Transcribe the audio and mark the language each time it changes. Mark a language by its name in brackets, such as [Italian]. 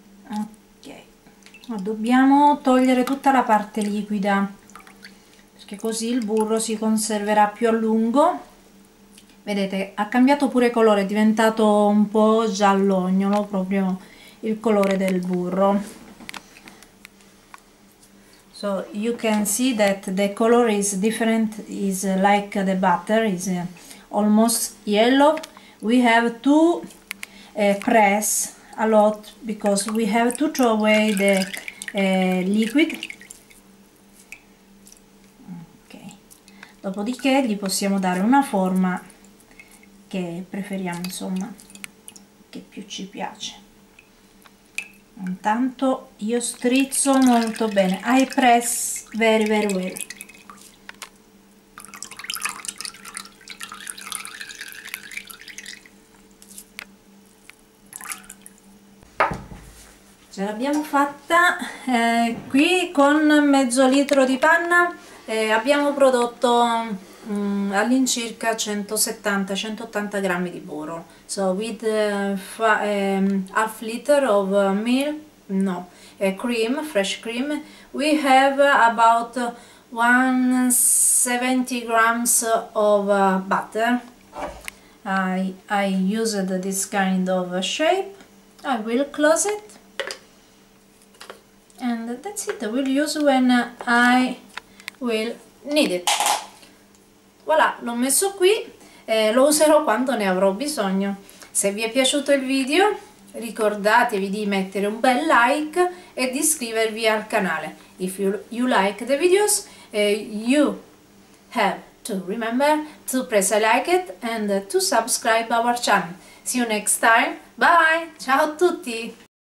[Italian] Ok, ma dobbiamo togliere tutta la parte liquida perché così il burro si conserverà più a lungo. Vedete, ha cambiato pure colore, è diventato un po' giallognolo, proprio il colore del burro. [English] So you can see that the color is different, is like the butter, is almost yellow. We have two press a lot because we have to throw away the liquid. Okay. [Italian] Dopodiché gli possiamo dare una forma che preferiamo, insomma, che più ci piace. Intanto io strizzo molto bene. [English] I press very very well. [Italian] Ce l'abbiamo fatta. Qui con mezzo litro di panna abbiamo prodotto all'incirca 170-180 grammi di burro. [English] So with half liter of milk, no, cream, fresh cream, we have about 170 grams of butter. I used this kind of shape. I will close it. And that's it, I will use when I will need it. [Italian] Voilà, l'ho messo qui, lo userò quando ne avrò bisogno. Se vi è piaciuto il video, ricordatevi di mettere un bel like e di iscrivervi al canale. [English] If you like the videos, you have to remember to press a like it and to subscribe our channel. See you next time, bye, [Italian] ciao a tutti!